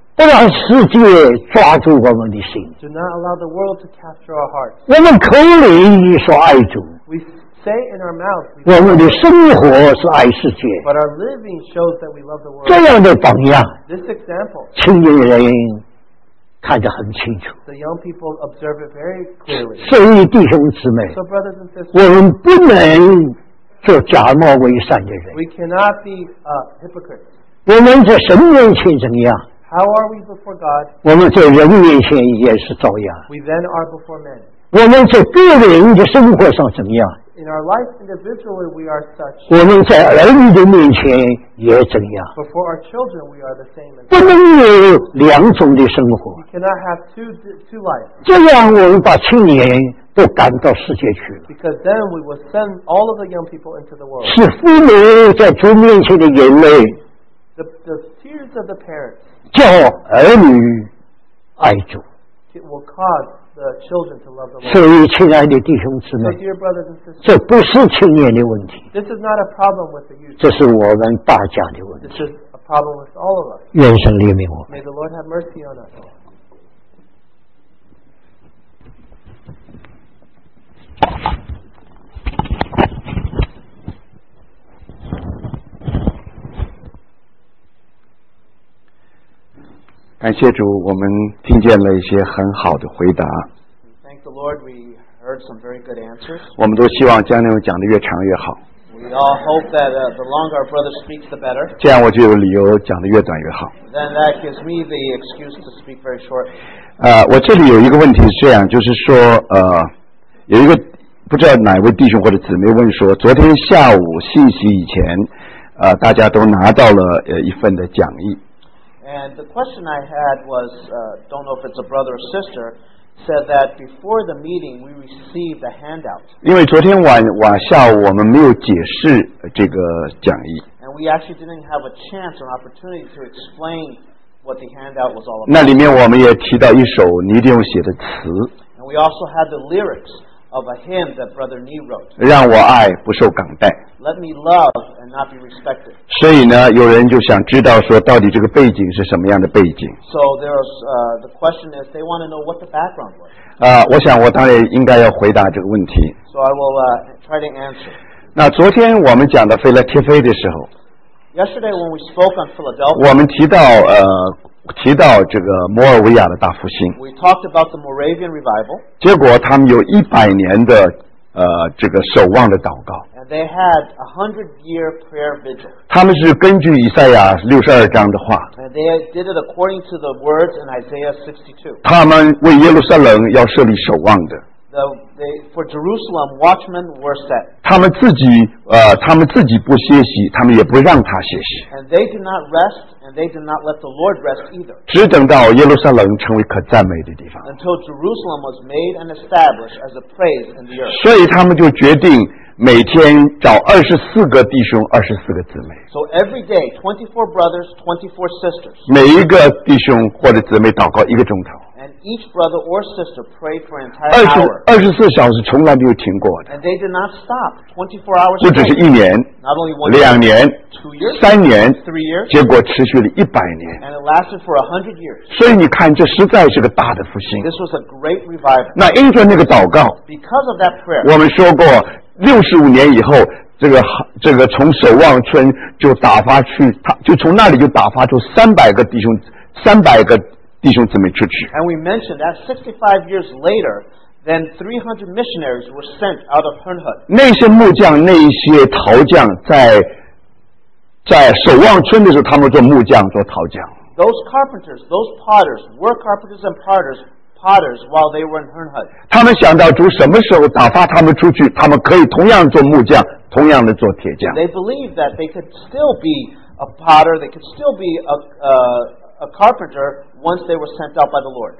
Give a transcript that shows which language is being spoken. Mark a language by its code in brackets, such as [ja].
[zh] 不让世界抓住我们的心。 [en] Do not allow the world to capture our hearts. [zh] 我们口里说爱主。 [en] We say in our mouth, [zh] 我们的生活是爱世界。 [en] But our living shows that we love the world. [zh] 这样的榜样， [en] This example, [zh] 青年人看得很清楚。 [en] The young people observe it very clearly. [zh] 所以弟兄姊妹， [en] So brothers and sisters, [zh] 我们不能做假冒伪善的人。 [en] We cannot be hypocrites. [zh] 我们在神面前怎样？ [en] How are we before God? [zh] 我们在人面前也是照样。 [en] We then are before men. [zh] 我们在个人的生活上怎样？ [en] In our life, individually, we are such. [zh] 我们在儿女的面前也怎样？ [en] Before our children, we are the same. [zh] 不能有两种的生活。 [en] We cannot have two lives. [zh] 这样我们把青年都赶到世界去了。 [en] Because then we will send all of the young people into the world. [zh] 是父母在主面前的眼泪。 [en] The tears of the parents. [zh] 叫儿女爱主。 [en] It will cause. The children to love the Lord. [zh] 所以亲爱的弟兄姊妹， [en] so, dear brothers and sisters, [zh] 这不是青年的问题， [en] This is not a problem with the youth. [zh] 这是我们大家的问题， [en] This is a problem with all of us. [zh] 愿神怜悯我们。 [en] May the Lord have mercy on us. Thank you, Lord. We heard some very good answers. Thank the Lord. We heard some very good answers. [zh] 我们都希望将来我讲的越长越好。 [en] We all hope that the longer our brother speaks, the better. [zh] 这样我就有理由讲的越短越好。 [en] Then that gives me the excuse to speak very short. [zh] 我这里有一个问题是这样，就是说有一个不知道哪位弟兄或者姊妹问说，昨天下午信息以前大家都拿到了一份的讲义。 [en] And the question I had was, don't know if it's a brother or sister, said that before the meeting we received a handout. [zh] 因为昨天晚下午我们没有解释这个讲义。 [en] And we actually didn't have a chance or opportunity to explain what the handout was all about. [zh] 那里面我们也提到一首尼弟兄写的词。 [en] And we also had the lyrics of a hymn that Brother Nee wrote. [zh] 让我爱不受港带。 [en] Let me love and not be respected. [zh] 所以呢，有人就想知道说，到底这个背景是什么样的背景 [en] ？So there's the question is they want to know what the background was. [zh] 我想我当然应该要回答这个问题。 [en] So I will try to answer. [zh] 那昨天我们讲的腓勒帖腓的时候 [en] ，Yesterday when we spoke on Philadelphia， [zh] 我们提到这个摩尔维亚的大复兴 [en] ，We talked about the Moravian revival。 [zh] 结果他们有100年的这个守望的祷告 [en] ，And they had a 100-year prayer vigil。 [zh] 他们是根据以赛亚62章的话 [en] ，And they did it according to the words in Isaiah 62。 [zh] 他们为耶路撒冷要设立守望的 [en] ，For Jerusalem watchmen were set。 [zh] 他们自己不歇息，他们也不让他歇息 [en] ，And they did not rest。 And they did not let the Lord rest either. [zh] 只等到耶路撒冷成为可赞美的地方。 [en] Until Jerusalem was made and established as a praise in the earth. [zh] 所以他们就决定每天找24个弟兄24个姊妹。 [en] So every day, 24 brothers, 24 sisters. [zh] 每一个弟兄或者姊妹祷告1个钟头。 [en] And each brother or sister prayed for an entire hour. [zh] 24小时从来没有停过的。 [en] And they did not stop 24 hours. [zh] 不只是一年。 [en] Not only one. [zh] 2年。 [en] 2 years. [zh] 3年。 [en] 3 years. [zh] 结果持续了100年。 [en] And it lasted for 100 years. [zh] 所以你看，这实在是个大的复兴。 [en] This was a great revival. [zh] 那因着那个祷告。 [en] Because of that prayer. [zh] 我们说过。 65年以后，这个从守望村就打发去，他就从那里就打发出300个弟兄姊妹出去。 [en] And we mentioned that 65 years later, then 300 missionaries were sent out of Hernhut. [zh] 那些木匠、那些陶匠在守望村的时候，他们做木匠、做陶匠。 [en] Those carpenters, those potters, were carpenters and potters. While they were in Hernhut. [zh] 他们想到主什么时候打发他们出去，他们可以同样做木匠，同样的做铁匠。 [en] They believed that they could still be a potter, they could still be a carpenter once they were sent out by the Lord.